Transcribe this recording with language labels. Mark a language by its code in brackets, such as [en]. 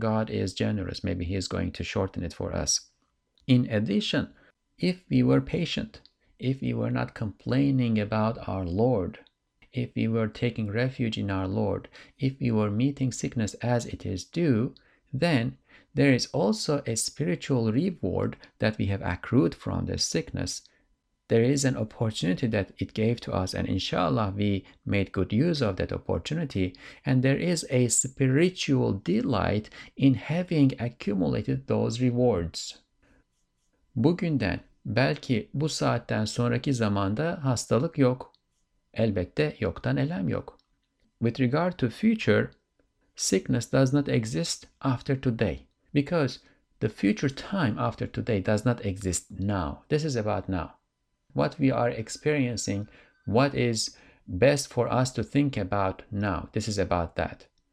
[en] God is generous, maybe he is going to shorten it for us. In addition, if we were patient, if we were not complaining about our Lord, if we were taking refuge in our Lord, if we were meeting sickness as it is due, then there is also a spiritual reward that we have accrued from this sickness. There is an opportunity that it gave to us, and inshallah, we made good use of that opportunity. And there is a spiritual delight in having accumulated those rewards. [tr] Bugünden, belki bu saatten sonraki zamanda hastalık yok. Elbette yoktan elem yok. [en] With regard to future, sickness does not exist after today. Because the future time after today does not exist now. This is about now. What we are experiencing, what is best for us to think about now. This is about that.